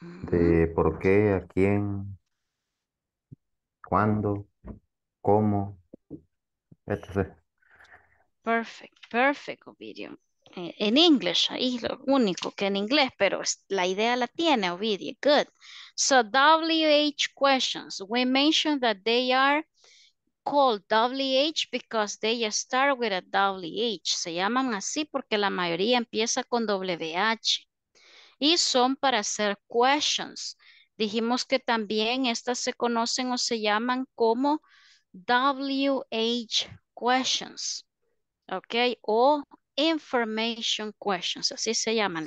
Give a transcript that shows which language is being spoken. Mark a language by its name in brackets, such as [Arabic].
[Spanish] De por qué, a quién, cuándo, cómo, etc. [English] Perfect, perfect, Ovidio. [Spanish] En inglés, ahí lo único que en inglés, pero la idea la tiene, Ovidio. [English] Good. So, WH questions. We mentioned that they are called WH because they start with a WH. [Spanish] Se llaman así porque la mayoría empieza con WH. Y son para hacer questions. Dijimos que también estas se conocen o se llaman como WH questions. ¿Ok? O information questions. Así se llaman.